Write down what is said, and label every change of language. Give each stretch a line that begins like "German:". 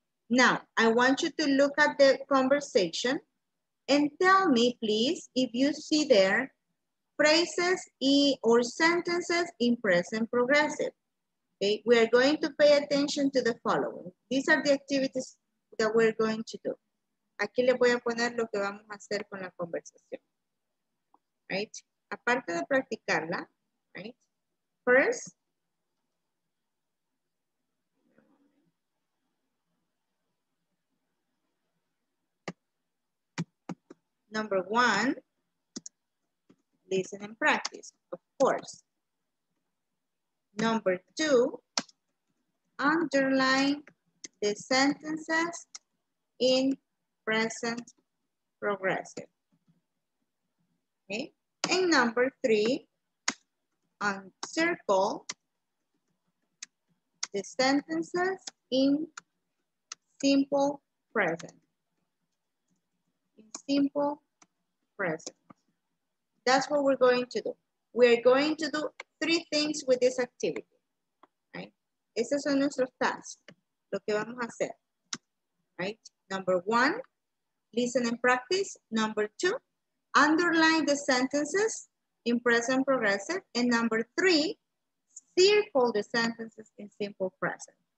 English: Now, I want you to look at the conversation and tell me, please, if you see there phrases or sentences in present progressive. Okay, we are going to pay attention to the following. These are the activities that we're going to do.
Spanish: Aquí le voy a poner lo que vamos a hacer con la conversación. Right? Aparte de practicarla, right?
English: First, number one, listen and practice, of course. Number two, underline the sentences in present progressive. Okay. And number three, uncircle the sentences in simple present. In simple present. That's what we're going to do. We're going to do three things with this activity, right?
Spanish: Esos son nuestros tasks, lo que vamos a hacer, right?
English: Number one, listen and practice. Number two, underline the sentences in present progressive. And number three, circle the sentences in simple present.